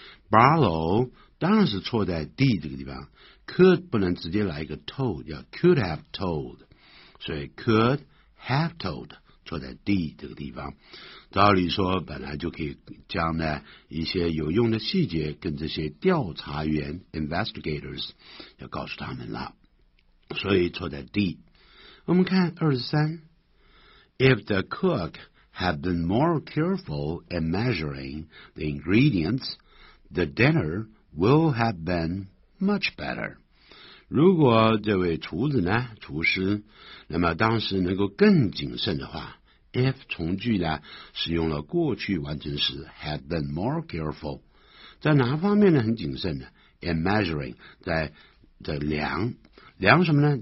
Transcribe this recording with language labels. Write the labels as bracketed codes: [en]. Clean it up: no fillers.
[zh] Barlow 当然是错在 D 这个地方， could 不能直接来一个 told， 要 [en] could have told， [zh] 所以 could have told 错在 D 这个地方。照理说本来就可以将呢一些有用的细节跟这些调查员 investigators 要告诉他们了，所以错在 D。我们看23， [en] If the cook had been more careful in measuring the ingredientsThe dinner will have been much better. [zh] 如果这位厨子呢，厨师，那么当时能够更谨慎的话， if 从句呢，使用了过去完成时 [en] had been more careful， [zh] 在哪方面呢？很谨慎呢？ [en] In measuring， [zh] 在量，量什么呢？